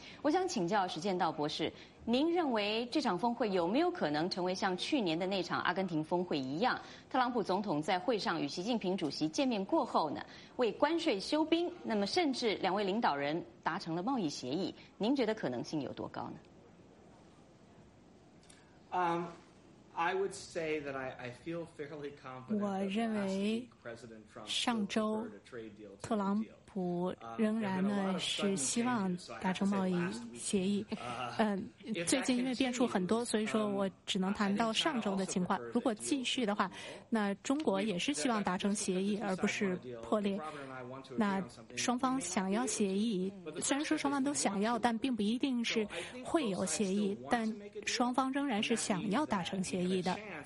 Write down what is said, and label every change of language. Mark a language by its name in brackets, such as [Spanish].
[Chinese] 我想请教史建道博士，您认为这场峰会有没有可能成为像去年的那场阿根廷峰会一样，特朗普总统在会上与习近平主席见面过后呢，为关税休兵，那么甚至两位领导人达成了贸易协议，您觉得可能性有多高呢？ [English] I would say that I feel fairly confident that President Trump will convert a trade deal to a deal. [Chinese] 普仍然呢是希望达成贸易协议。最近因为变数很多，所以说我只能谈到上周的情况。如果继续的话，那中国也是希望达成协议而不是破裂。那双方想要协议，虽然说双方都想要，但并不一定是会有协议，但双方仍然是想要达成协议的。